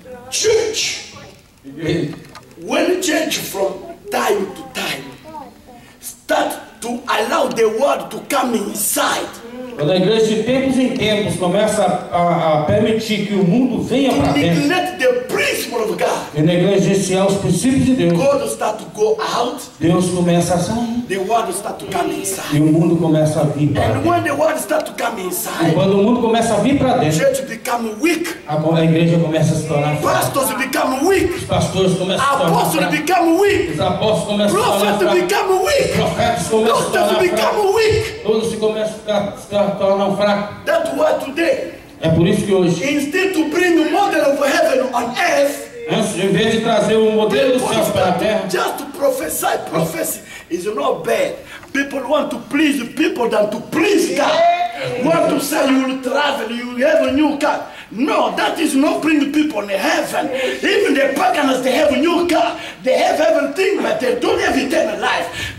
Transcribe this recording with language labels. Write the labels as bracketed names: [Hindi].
[English] Church, when change from time to time, start to allow the word to come inside. [Portuguese] Quando a igreja de tempos em tempos começa a permitir que o mundo venha para dentro. [English] Neglect the principle of God. [Portuguese] E na igreja esse é os princípios de Deus. [English] God start to go out. [Portuguese] Deus começa a sair. [English] The word start to come inside. [Portuguese] E o mundo começa a vir para dentro. [English] And when the word start to come inside. [Portuguese] E quando o mundo começa a vir para dentro. [English] Church become weak. [Portuguese] Agora a igreja começa a se tornar fraca. [English] Pastors become weak. [Portuguese] Os pastores começam a se tornar fracos. [English] Apostles become weak. [Portuguese] Os apóstolos começam a se tornar fracos. [English] Prophets become weak. [Portuguese] Profetas começam a se tornar fracos. [English] Become weak. [Portuguese] Todos se começam a ficar tornam fraco. [English] That's why today, [Portuguese] é por isso que hoje, [English] instead to bring the model of heaven on earth, [Portuguese] em vez de trazer um modelo do céu para a terra, [English] just to prophesy, prophecy is not bad. People want to please people than to please God. Want to say you will travel, you will have a new car. No, that is not bring people in heaven. Even the pagans, they have a new car. They have everything, but they don't have eternal life.